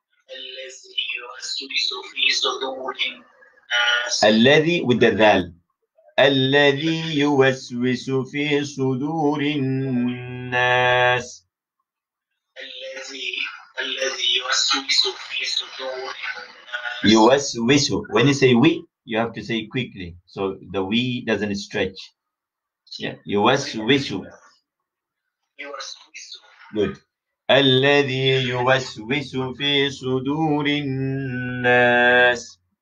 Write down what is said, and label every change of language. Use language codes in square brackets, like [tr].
[ar] الذي يوسوس في صدور الناس. الذي والدلال. الذي يوسوس في صدور الناس. الذي يوسوس في صدور الناس. يوسوس. [en] When you say we, you have to say quickly, so the we doesn't stretch. [ar] Yeah. يوسوس. يوسوس. [en] Good. [ar] الذي يوسوس في صدور الناس.